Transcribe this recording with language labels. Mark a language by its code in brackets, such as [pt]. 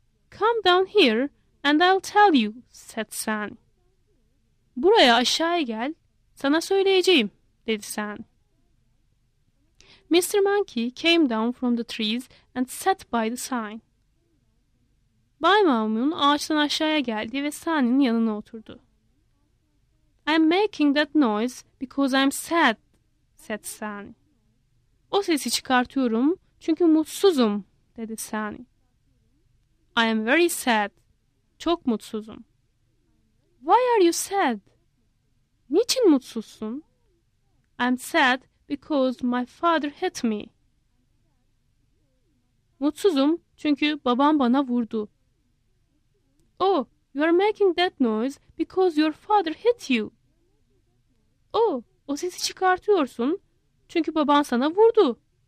[en] Come down here and I'll tell you, said Sunny. [tr] Buraya aşağıya gel, sana söyleyeceğim, dedi Sunny. Mr. [en] Monkey came down from the trees and sat by the sign. [tr] Bay Maymun ağaçtan aşağıya geldi ve Sunny'nin yanına oturdu. [en] I'm making that noise because I'm sad, said Sunny. [tr] O sesi çıkartıyorum çünkü mutsuzum, dedi Sunny. [en] I am very sad. [tr] Çok mutsuzum. [en] Why are you sad? [tr] Niçin mutsuzsun? [en] I'm sad because my father hit me. [tr] Mutsuzum çünkü babam bana vurdu. [en] Oh, you are making that noise because your father hit you. [tr] Oh, o sesi çıkartıyorsun çünkü baban sana vurdu.